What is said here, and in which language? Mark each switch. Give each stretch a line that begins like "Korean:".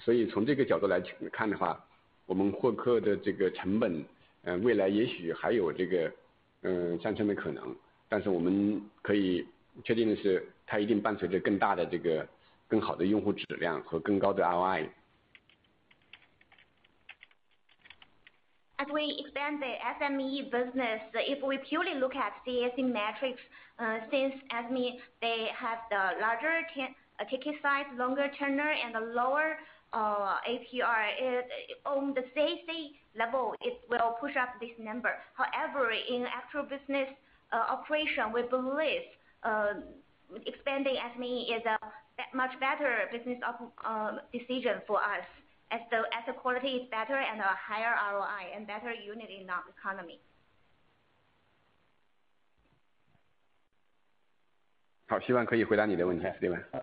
Chinese: 从这个角度来看的话，我们获客的这个成本，未来也许还有这个上升的可能，但是我们可以确定的是，它一定伴随着更大的这个更好的用户质量和更高的 ROI。
English: As we expand the SME business, if we purely look at CAC metrics, since SME they have the larger ticket size, longer tenure, and a lower APR, on the CAC level, it will push up this number. However, in actual business operation, we believe expanding SME is a much better business decision for us, as the asset quality is better and a higher ROI and better unit in the economy.
Chinese: 好，希望可以回答你的问题，对吧？